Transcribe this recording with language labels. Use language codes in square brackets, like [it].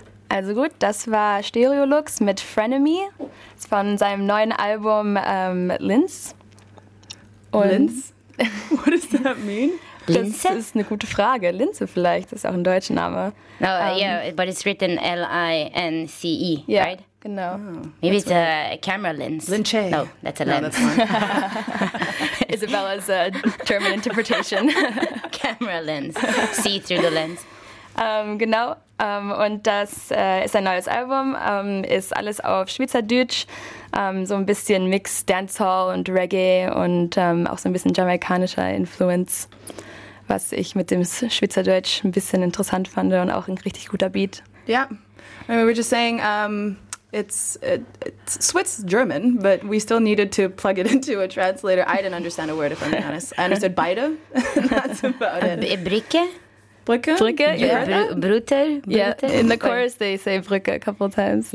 [de] Also gut, das war Stereolux mit Frenemy. Ist von seinem neuen Album Linz. [en] Linz? What does that mean? [de] Linz? Das ist eine gute Frage. Linze vielleicht, das ist auch ein deutscher Name. [en] No, yeah, but it's written L-I-N-C-E, yeah, right? [de] Genau. [en] Oh, maybe it's a camera lens. [de] Linche. [en] No, that's a lens. No, that's fine. Isabella's term and interpretation. Camera lens. See through the lens. [de] Genau. Und das ist ein neues Album, ist alles auf Schweizerdeutsch, so ein bisschen Mix Dancehall und Reggae und auch so ein bisschen jamaikanischer Influence, was ich mit dem Schweizerdeutsch ein bisschen interessant fand und auch ein richtig guter Beat. Ja, yeah. [en] I mean, we're just saying, it's Swiss German, but we still needed to plug it into a translator. I didn't understand a word, if I'm being honest. I understood beide, that's about it. Bricke? Brücke? Brücke, you heard that? Brutal? Yeah, in the chorus they say Brücke a couple of times.